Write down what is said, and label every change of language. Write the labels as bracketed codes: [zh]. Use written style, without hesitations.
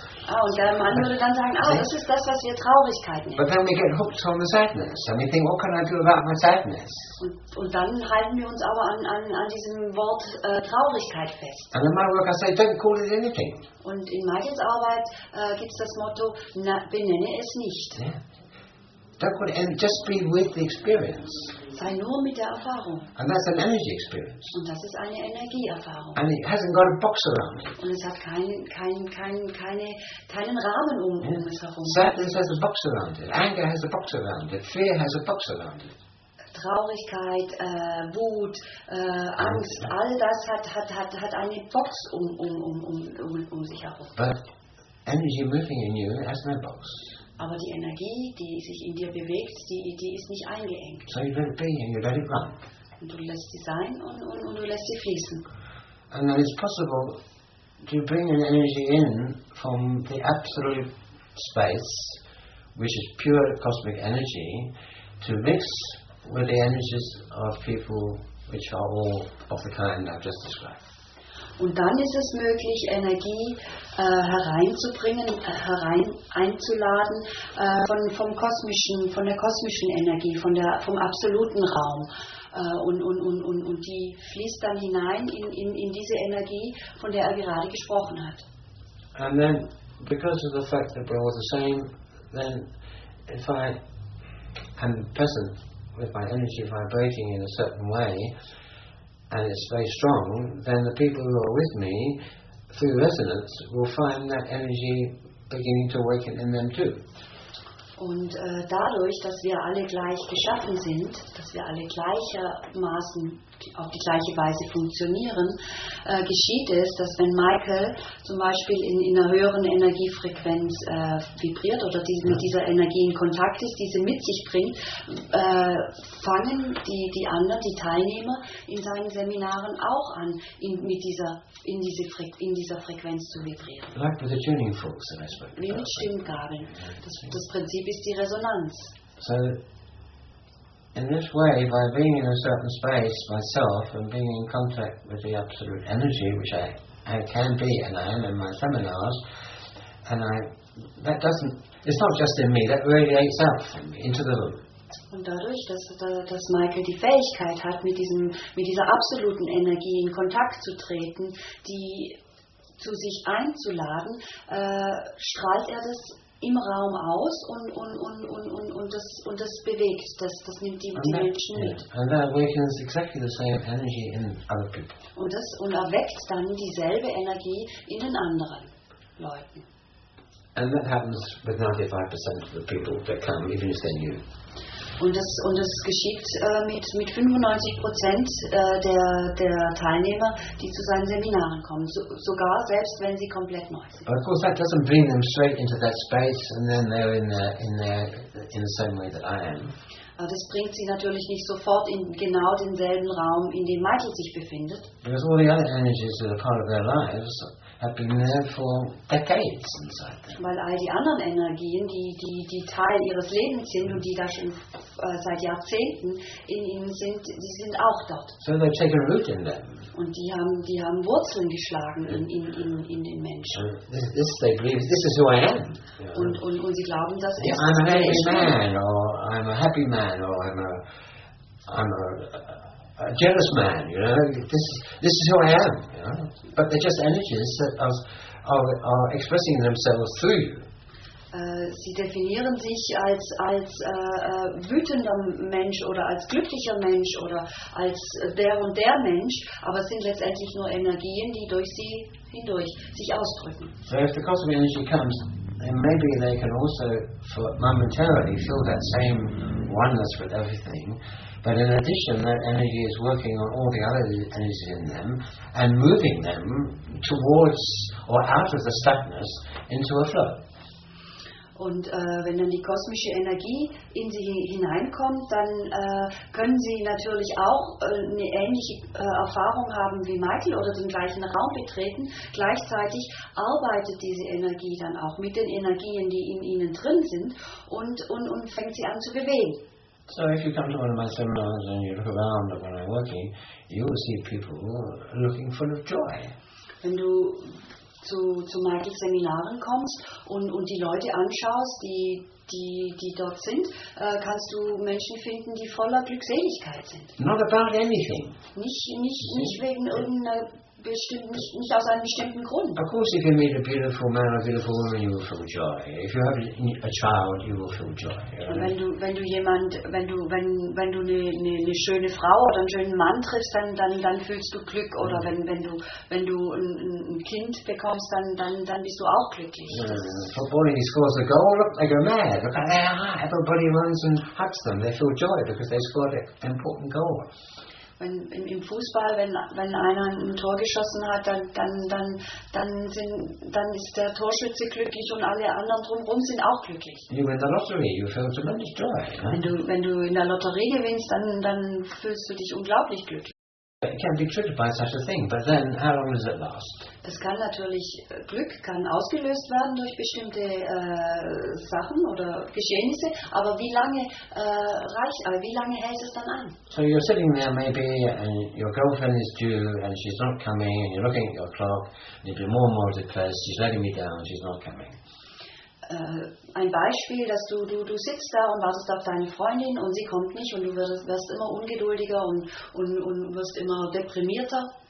[de] Ah, und der Mann würde dann sagen, ah, das ist das, was wir Traurigkeit nennen. [en] But then we get hooked on the sadness, and we think, what can I do about my sadness? [de] Und dann halten wir uns aber an diesem Wort Traurigkeit fest. [en] And in my work I say, don't call it anything. [de] Und in Michaels Arbeit gibt's das Motto, benenne es nicht. [en] Yeah. Don't call it anything. Just be with the experience. [de] Sei nur mit der Erfahrung. [en] And that's an energy experience. [de] Und das ist eine Energieerfahrung. [en] And it hasn't got a box around it. [de] Und es hat keinen Rahmen um es herum. [en] Sadness has a box around it. Anger has a box around it. Fear has a box around it. [de] Traurigkeit, Wut, Angst, all das hat eine Box um sich herum. [en] But energy moving in you has no box. [de] Aber die Energie, die sich in dir bewegt, die ist nicht eingeengt. [en] So you let it be and you let it run. [de] Und du lässt sie sein und du lässt sie fließen. [en] And then it's possible to bring an energy in from the absolute space, which is pure cosmic energy, to mix with the energies of people which are all of the kind I've just described. [de] Und dann ist es möglich, Energie hereinzubringen, herein einzuladen von der kosmischen Energie, vom absoluten Raum. Und die fließt dann hinein in diese Energie, von der er gerade gesprochen hat. [en] And then, because of the fact that we're all the same, then if I am present with my energy vibrating in a certain way, and it's very strong, then the people who are with me, through resonance, will find that energy beginning to awaken in them too. [de] Und dadurch, dass wir alle gleich geschaffen sind, dass wir alle gleichermaßen auf die gleiche Weise funktionieren, geschieht es, dass wenn Michael zum Beispiel in einer höheren Energiefrequenz vibriert oder mit dieser Energie in Kontakt ist, diese mit sich bringt, fangen die anderen, die Teilnehmer in seinen Seminaren auch an, in dieser Frequenz zu vibrieren. [en] Like with the tuning forks, I spoke about. [de] Wie mit Stimmgabeln. Das Prinzip ist die Resonanz. [en] So in this way, by being in a certain space myself and being in contact with the absolute energy, which I can be and I am in my seminars, and it's not just in me, that radiates out from me into the room. [de] Und dadurch, dass Michael die Fähigkeit hat, mit dieser absoluten Energie in Kontakt zu treten, die zu sich einzuladen, strahlt er das im Raum aus und das bewegt, das nimmt die Menschen mit. [en] And that awakens exactly the same energy in other people. [de] Und erweckt dann dieselbe Energie in den anderen Leuten. [en] And that happens with 95% of the people that come, even if they're new. [de] Und das geschieht mit 95% der Teilnehmer, die zu seinen Seminaren kommen, sogar selbst wenn sie komplett neu sind. [en] But of course that doesn't bring them straight into that space and then they're in the same way that I am. [de] Das bringt sie natürlich nicht sofort in genau denselben Raum, in dem Michael sich befindet. [en] Because all the other energies that are part of their lives have been there for decades and so. [de] Weil all die anderen Energien, die Teil ihres Lebens sind und die da schon seit Jahrzehnten in ihnen sind, die sind auch dort. [en] So they've taken root in them. [de] Und die haben Wurzeln geschlagen in den Menschen. [en] This they believe, this is who I am. [de] Und sie glauben, das ist [en] I'm an angry man, or I'm a happy man, or I'm a jealous man, you know. This is who I am, you know. But they're just energies that are expressing themselves through you. [de] Sie definieren sich als wütender Mensch oder als glücklicher Mensch oder als der und der Mensch, aber es sind letztendlich nur Energien, die durch sie hindurch sich ausdrücken. [en] So if the cosmic energy comes, then maybe they can also for momentarily feel that same oneness with everything. But in addition, that energy is working on all the other energies in them and moving them towards or out of the stuckness into a flow. [de] Und wenn dann die kosmische Energie in sie hineinkommt, dann können sie natürlich auch eine ähnliche Erfahrung haben wie Michael oder den gleichen Raum betreten. Gleichzeitig arbeitet diese Energie dann auch mit den Energien, die in ihnen drin sind und fängt sie an zu bewegen. [en] So if you come to one of my seminars and you look around at what I'm working, you will see people looking full of joy. [de] Wenn du zu Michaels Seminaren kommst und die Leute anschaust, die dort sind, kannst du Menschen finden, die voller Glückseligkeit sind. [en] Not about anything. [de] Nicht wegen irgendeiner bestimmten, nicht aus einem bestimmten Grund. [en] Of course, if you meet a beautiful man or a beautiful woman, you will feel joy. If you have a child, you will feel joy. [de] Wenn du eine schöne Frau oder einen schönen Mann triffst, dann fühlst du Glück. Oder wenn du ein Kind bekommst, dann bist du auch glücklich. [en] Footballing scores a goal, they go mad. Everybody runs and hugs them. They feel joy because they scored an important goal. [de] Wenn im Fußball, wenn einer ein Tor geschossen hat, dann ist der Torschütze glücklich und alle anderen drumherum sind auch glücklich. [en] You win the lottery, you feel tremendous joy, huh? [de] Wenn du in der Lotterie gewinnst, dann fühlst du dich unglaublich glücklich. [en] It can be triggered by such a thing, but then how long does it last? [de] Das kann natürlich, Glück kann ausgelöst werden durch bestimmte Sachen oder Geschehnisse, aber wie lange hält es dann an? [en] So you're sitting there maybe and your girlfriend is due and she's not coming and you're looking at your clock and you've been more and more depressed, she's letting me down and she's not coming. [de] Ein Beispiel, dass du sitzt da und wartest auf deine Freundin und sie kommt nicht und du wirst immer ungeduldiger und wirst immer deprimierter.